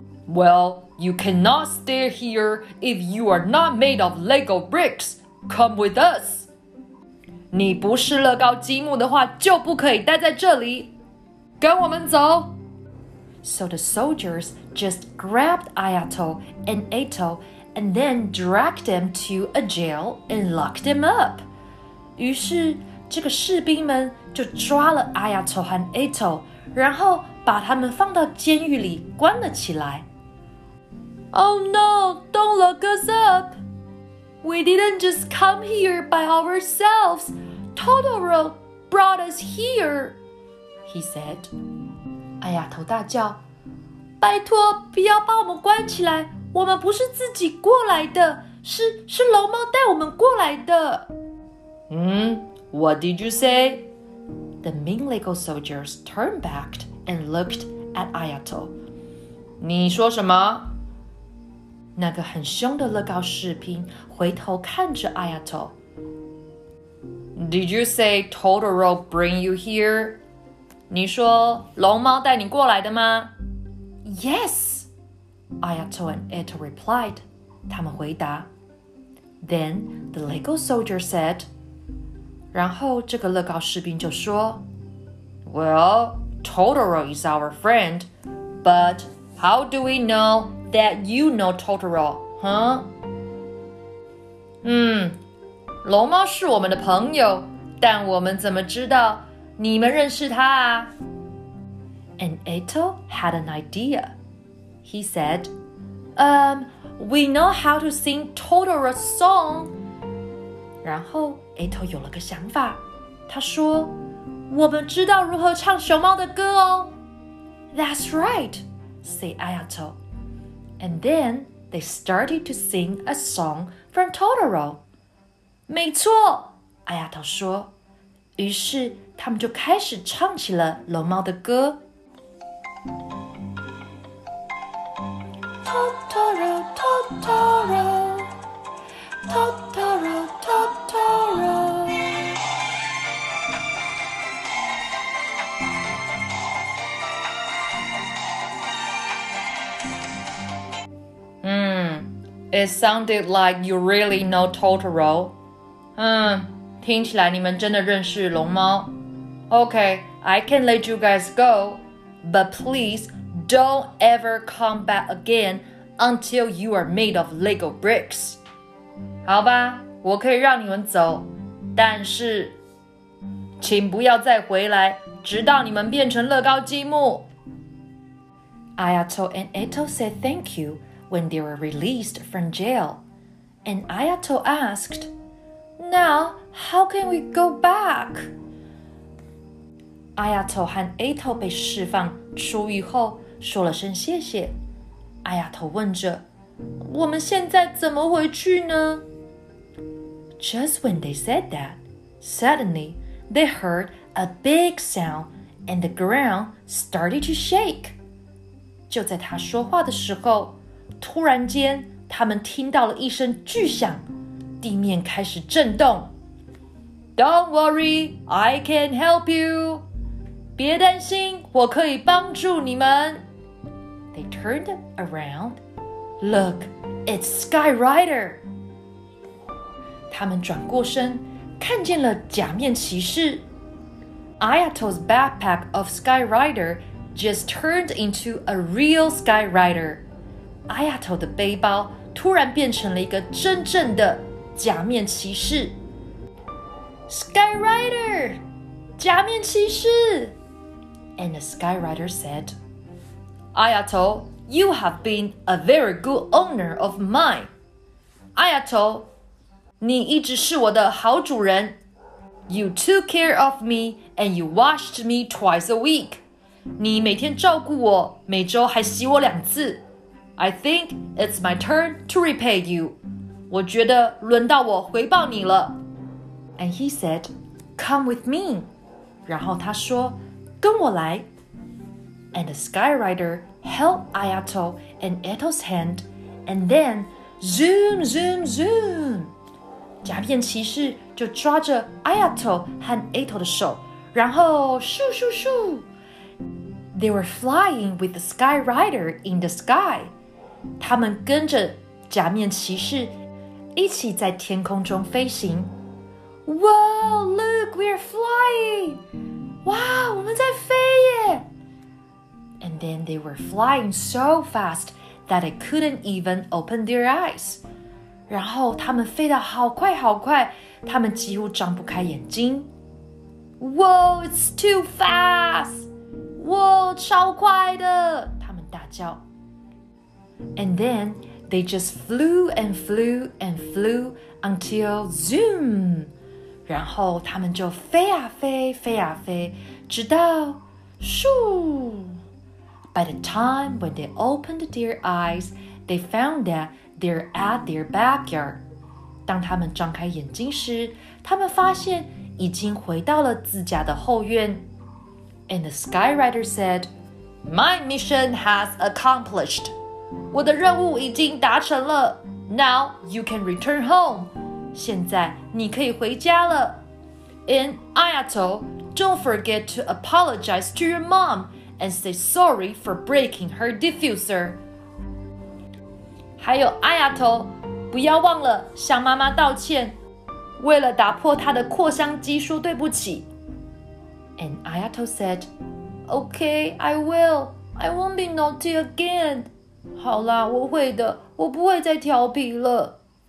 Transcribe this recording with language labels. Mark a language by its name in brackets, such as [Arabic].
[English] Well, you cannot stay here if you are not made of Lego bricks. Come with us. [Chinese] 你不是乐高积木的话，就不可以待在这里。跟我们走。 [English] So the soldiers just grabbed Ayato and Eto and then dragged them to a jail and locked them up. [Chinese] 于是这个士兵们就抓了 Ayato 和 Eto， 然后把他们放到监狱里关了起来。 [English] Oh no! Don't lock us up! We didn't just come here by ourselves. Totoro brought us here, he said. [Chinese] Ayato 大叫，拜托不要把我们关起来，我们不是自己过来的，是龙猫带我们过来的。 [English] What did you say? The mean Lego soldiers turned back and looked at Ayato. [Chinese] 你说什么？那个很凶的乐高士兵回头看着 Ayato。 [English] Did you say Totoro bring you here? [Chinese] 你说龙猫带你过来的吗？ [English] Yes, Ayato and Eto replied. [Chinese] 他们回答。 [English] Then the Lego soldier said, [Chinese] 然后这个乐高士兵就说， [English] Well, Totoro is our friend, but how do we knowThat you know Totoro, huh? [Chinese] 龙猫是我们的朋友，但我们怎么知道你们认识他啊？ [English] And Eto had an idea. He said, we know how to sing Totoro's song. [Chinese] 然后 Eto 有了个想法，他说，我们知道如何唱熊猫的歌哦。 [English] That's right, said Ayato. And then they started to sing a song from Totoro. [Chinese] 没错，Ayato 说。于是他们就开始唱起了龙猫的歌。 [English] Totoro, Totoro, Totoro, Totoro. It sounded like you really know Totoro. [Chinese] 听起来你们真的认识龙猫。 [English] Okay, I can let you guys go. But please, don't ever come back again until you are made of Lego bricks. [Chinese] 好吧，我可以让你们走。但是，请不要再回来，直到你们变成乐高积木。 [English] Ayato and Eto said thank you. When they were released from jail. And Ayato asked, Now, how can we go back? [Chinese] Ayato 和 Eto 被释放出狱后说了声谢谢。Ayato 问着，我们现在怎么回去呢？ [English] Just when they said that, suddenly they heard a big sound and the ground started to shake. [Chinese] 就在他说话的时候，突然间他们听到了一声巨响，地面开始震动。 [English] Don't worry, I can help you. [Chinese] 别担心，我可以帮助你们。 [English] They turned around. Look, it's Sky Rider! [Chinese] 他们转过身，看见了假面骑士。 [English] Ayato's backpack of Sky Rider just turned into a real Sky Rider. [Chinese] Ayato 的背包突然变成了一个真正的假面骑士。 [English] Sky Rider! [Chinese] 假面骑士! [English] And the Sky Rider said, Ayato, you have been a very good owner of mine. [Chinese] Ayato, 你一直是我的好主人。 [English] You took care of me and you washed me twice a week. [Chinese] 你每天照顾我，每周还洗我两次。 [English] I think it's my turn to repay you. [Chinese] 我觉得轮到我回报你了。 [English] And he said, come with me. [Chinese] 然后他说，跟我来。 [English] And the Sky Rider held Ayato and Eto's hand, and then zoom, zoom, zoom. [Chinese] 假面骑士就抓着 Ayato 和 Eto 的手，然后咻咻咻。 [English] They were flying with the Sky Rider in the sky. [Chinese] 他们跟着假面骑士一起在天空中飞行。 [English] Whoa, look, we're flying! [Chinese] Wow, 我们在飞耶! [English] And then they were flying so fast that they couldn't even open their eyes. [Chinese] 然后他们飞得好快好快,他们几乎张不开眼睛。 [English] Whoa, it's too fast! Whoa, [Chinese] 超快的! 他们大叫。 [English] And then they just flew and flew and flew until zoom! [Chinese] 然后他们就飞啊飞，飞啊飞，直到咻。 [English] By the time when they opened their eyes, they found that they're at their backyard. [Chinese] 当他们张开眼睛时，他们发现已经回到了自家的后院。 [English] And the Sky Rider said, My mission has accomplished. [Chinese] 我的任务已经达成了。 [English] Now you can return home. [Chinese] 现在你可以回家了。 [English] And Ayato, don't forget to apologize to your mom and say sorry for breaking her diffuser. [Chinese] 还有 Ayato, 不要忘了向妈妈道歉，为了打破她的扩香机说对不起。 [English] And Ayato said, Okay, I will. I won't be naughty again. [Chinese] 好啦，我会的，我不会再调皮了。